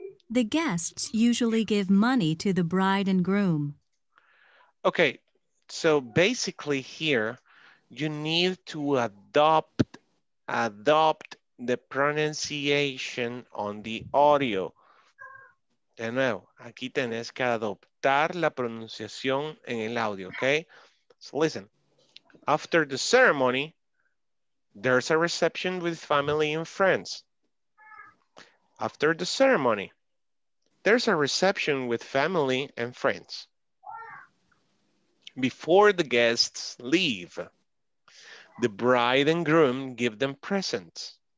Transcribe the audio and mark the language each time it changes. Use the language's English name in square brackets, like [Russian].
[English] The guests usually give money to the bride and groom. Okay. So basically here, you need to adopt the pronunciation on the audio. [Spanish] De nuevo, aquí tenés que adoptar la pronunciación en el audio, okay? [English] So listen, after the ceremony, there's a reception with family and friends. After the ceremony, there's a reception with family and friends. Before the guests leave, the bride and groom give them presents.